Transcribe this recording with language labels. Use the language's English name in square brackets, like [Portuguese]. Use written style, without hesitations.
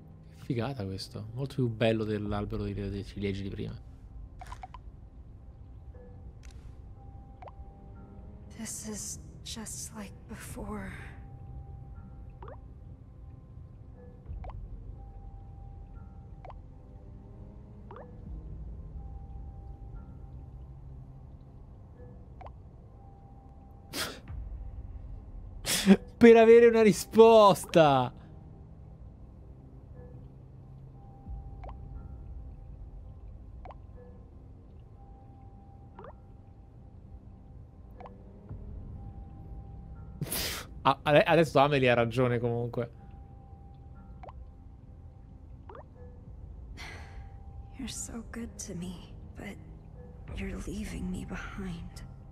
[Italian] Che figata questo. Molto più bello dell'albero dei ciliegi di prima. [English] This is just like before. [Italian] Per avere una risposta. Ah, adesso Amelie ha ragione comunque. [English] You're so good to me, but you're leaving me behind.